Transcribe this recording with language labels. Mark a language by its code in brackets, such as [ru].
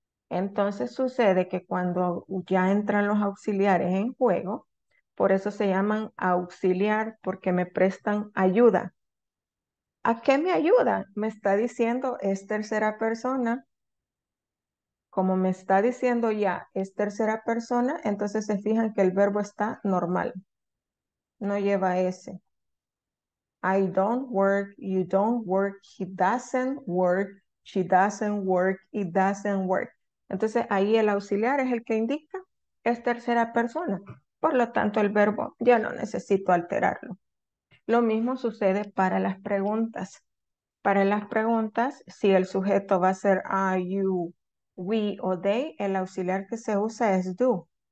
[es] Entonces sucede que cuando ya entran los auxiliares en juego, por eso se llaman auxiliar, porque me prestan ayuda. ¿A qué me ayuda? Me está diciendo es tercera persona. Como me está diciendo ya es tercera persona, entonces se fijan que el verbo está normal. No lleva ese. [en] I don't work, you don't work, he doesn't work, she doesn't work, it doesn't work. [es] Entonces ahí el auxiliar es el que indica, es tercera persona. Por lo tanto, el verbo ya no necesito alterarlo. Lo mismo sucede para las preguntas. Para las preguntas, si el sujeto va a ser are you, we o they, el auxiliar que se usa es do.